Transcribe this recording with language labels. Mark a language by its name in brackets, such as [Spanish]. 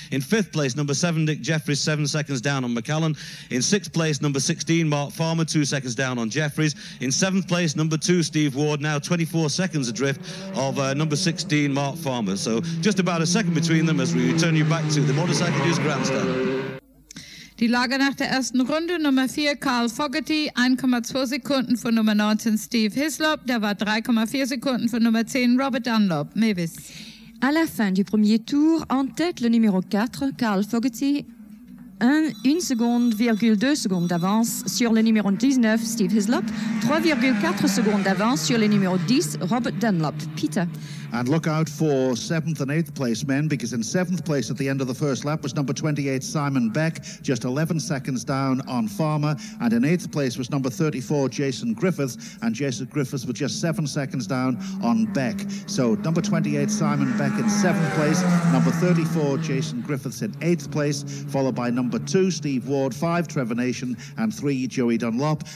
[English] In fifth place, number 7 Nick Jeffries, 7 seconds down on McCallan. In sixth place, number 16 Mark Farmer, 2 seconds down on Jeffries. In seventh place, number 2 Steve Ward, now 24 seconds adrift of number 16 Mark Farmer. So just about a second between them as we return you back to the Motorcycle News Grandstand. [German] Die Lage nach der ersten Runde, Nummer 4, Carl Fogarty, 1,2 Sekunden von Nummer 19, Steve Hislop. Der war 3,4 Sekunden von Nummer 10, Robert Dunlop. Mavis. [French] À la fin du premier tour, en tête le numéro 4, Carl Fogarty, 1,2 seconde d'avance sur le numéro 19, Steve Hislop, 3,4 secondes d'avance sur le numéro 10, Robert Dunlop. [English] Peter. And look out for 7th and 8th place men, because in 7th place at the end of the first lap was number 28 Simon Beck, just 11 seconds down on Farmer. And in 8th place was number 34 Jason Griffiths, and Jason Griffiths was just 7 seconds down on Beck. So number 28 Simon Beck in 7th place, number 34 Jason Griffiths in 8th place, followed by number 2 Steve Ward, 5 Trevor Nation, and 3 Joey Dunlop.